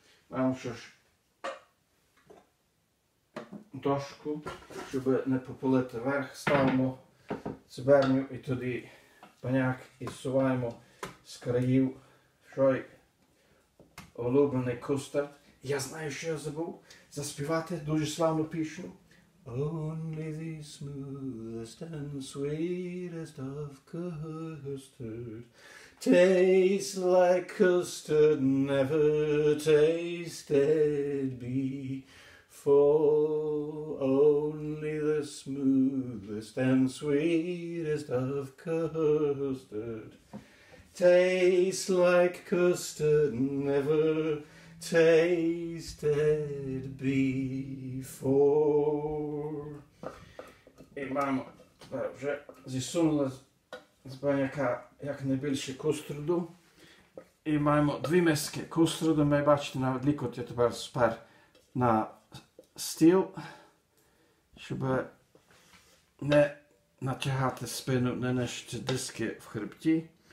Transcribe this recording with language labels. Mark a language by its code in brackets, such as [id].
[uk] Маємо ще ж дошку, щоб не попалити верх. Ставимо циберню і тоді баняк і суваємо з країв. Що й улюблений кустард. Я знаю, що я забув заспівати дуже славну пісню. [en] Only the smoothest and sweetest of custard tastes like custard never tasted before. Only the smoothest and sweetest of custard tastes like custard never tasted before. [uk] І маємо вже зісунули з баняка якнайбільше кустарду. І маємо 2 миски кустарду. Ми бачите, навіть лікоть я тепер спер на стіл, щоб не натягати спину, не нищити диски в хребті.